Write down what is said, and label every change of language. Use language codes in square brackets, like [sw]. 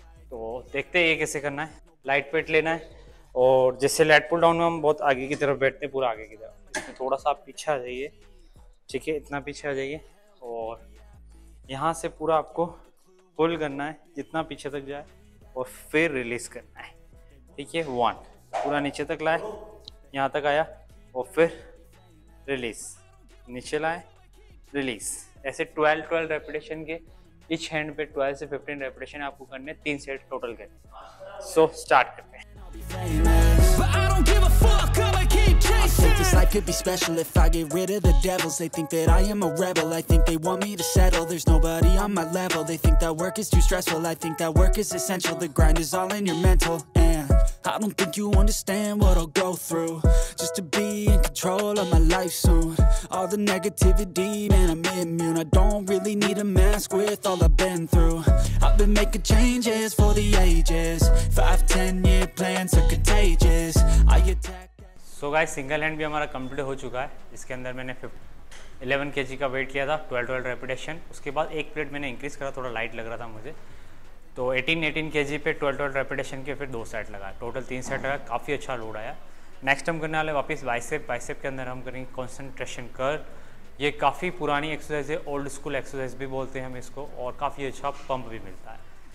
[hi] तो देखते हैं ये कैसे करना है. लाइट वेट लेना है, और जैसे लैट पुल डाउन में हम बहुत आगे की तरफ बैठते हैं, पूरा आगे की तरफ, इसमें थोड़ा सा आप पीछे आ जाइए, ठीक है, इतना पीछे आ जाइए, और यहाँ से पूरा आपको पुल करना है जितना पीछे तक जाए, और फिर रिलीज करना है, ठीक है. 1 पूरा नीचे तक लाए, यहाँ तक आया, और फिर रिलीज, नीचे लाए, रिलीज, ऐसे 12 रेपिटेशन के इच हैंड पे 12 से 15 रेपिटेशन आपको करने, 3 सेट टोटल करने. सो स्टार्ट करते हैं. [en] This life could be special if I get rid of the devils. They think that I am a rebel, I think they want me to settle. There's nobody on my level, they think that work is too stressful. I think that work is essential, the grind is all in your mental. And I don't think you understand what I'll go through just to be in control of my life soon. All the negativity, man, I'm immune. I don't really need a mask with all I've been through. I've been making changes for the ages, 5-10 year plans are contagious. I attack. [hi] So guys, single hand भी हमारा complete हो चुका है, इसके अंदर मैंने 11 KG का wait लिया था, 12 रेपिटेशन, उसके बाद एक प्लेट मैंने इंक्रीज करा, थोड़ा लाइट लग रहा था मुझे, तो 18 केजी पे 12 रेपिटेशन के फिर 2 सेट लगा, टोटल 3 सेट लगा, काफ़ी अच्छा लोड आया. नेक्स्ट हम करने वाले वापस बाइसेप. बाइसेप के अंदर हम करेंगे कॉन्सेंट्रेशन कर, ये काफ़ी पुरानी एक्सरसाइज है, ओल्ड स्कूल एक्सरसाइज भी बोलते हैं हम इसको, और काफ़ी अच्छा पंप भी मिलता है.